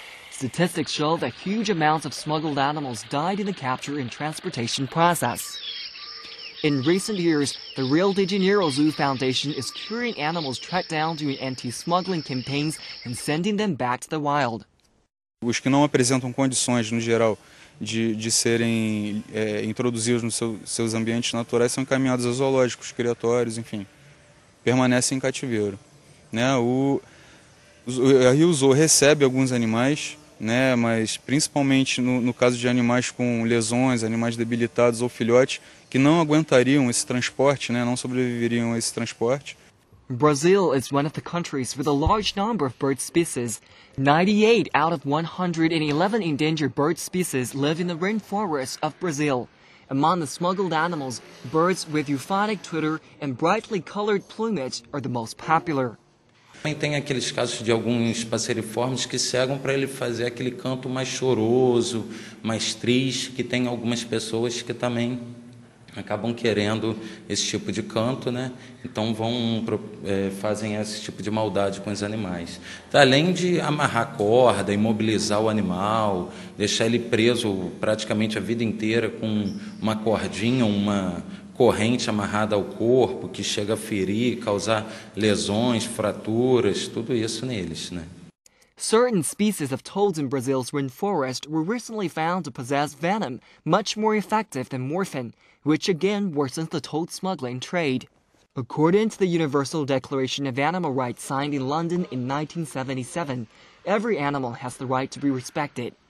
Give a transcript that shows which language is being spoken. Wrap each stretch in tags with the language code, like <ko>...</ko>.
<en>Statistics show that huge amounts of smuggled animals died in the capture and transportation process. In recent years, the Rio de Janeiro Zoo Foundation is curing animals tracked down during anti-smuggling campaigns and sending them back to the wild.</en> <pt>Os que não apresentam condições, no geral, de serem introduzidos nos seus ambientes naturais são encaminhados aos zoológicos, criatórios, enfim, permanecem em cativeiro. Né? A Rio Zoo recebe alguns animais, né? Mas principalmente no caso de animais com lesões, animais debilitados ou filhotes, que não aguentariam esse transporte, né? Não sobreviveriam a esse transporte.</pt> <en>Brazil is one of the countries with a large number of bird species. 98 out of 111 endangered bird species live in the rainforests of Brazil. Among the smuggled animals, birds with euphonic twitter and brightly colored plumage are the most popular.</en> <pt>Também tem aqueles casos de alguns passeriformes que cegam para ele fazer aquele canto mais choroso, mais triste, que tem algumas pessoas que também acabam querendo esse tipo de canto, né? Então fazem esse tipo de maldade com os animais. Tá, além de amarrar corda, imobilizar o animal, deixar ele preso praticamente a vida inteira com uma cordinha, uma corrente amarrada ao corpo que chega a ferir, causar lesões, fraturas, tudo isso neles, né?</pt> <en>Certain species of toads in Brazil's rainforest were recently found to possess venom, much more effective than morphine, which again worsens the toad smuggling trade. According to the Universal Declaration of Animal Rights signed in London in 1977, every animal has the right to be respected.</en>